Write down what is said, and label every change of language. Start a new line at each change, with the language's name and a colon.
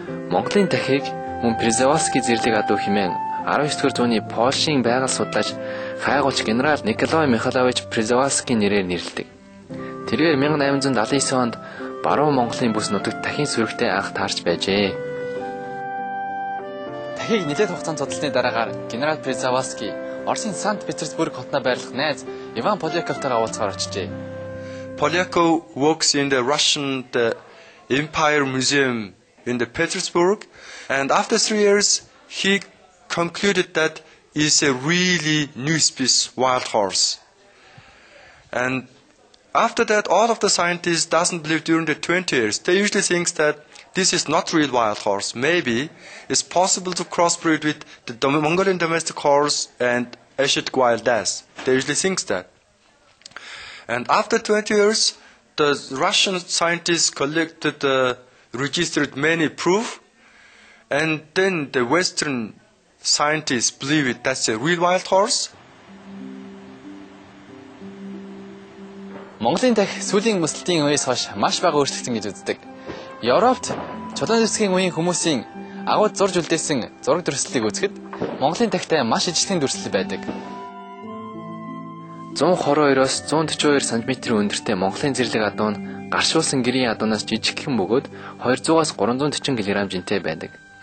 Mongolian: Монголын тахийг мөн Przewalskii зэрлэг адуу хэмээн 19-р зууны Польшийн байгаль судлаач хайгуулч генерал Николай Михайлович Przewalskii нэрээр нэрлэдэг. Тэрээр 1879 онд баруун Монголын бүс нутагт тахийн сүрэгтэй анх таарч байжээ. Тахийг нэлээд хугацаанд судалсны дараагаар генерал Przewalskii Оросын Санкт-Петербург хотноо байрлах найз Иван Полиаковтайгаа уулзахаар очжээ.
English: Polyakov works in the Russian the Empire Museum in the Petersburg and after 3 years he concluded that is a really new species wild horse. And after that, all of the scientists doesn't believe during the 20 years. They usually think that this is not real wild horse. Maybe it's possible to crossbreed with the Mongolian domestic horse and Ashit wild ass. They usually think that. And after 20 years, the Russian scientists collected, registered many proof, and then the Western scientists believe it, that's a real wild horse.
Mongolian: Монголын тах сүлийн мөсөлтийн үеэс хойш маш бага өөрчлөгдсөн гэж үздэг. Европт чулуун зэвсгийн үеийн хүмүүсийн агуу зурж үлдээсэн зураг дүрслэлийг үзэхэд Монголын тахтай маш ижилхэн дүрслэл байдаг. 122-оос 142 см өндөртэй Монголын зэрлэг адуу нь гаршуулсан гэрийн адуунаас жижигхэн бөгөөд 200-аас 340 кг жинтэй байдаг.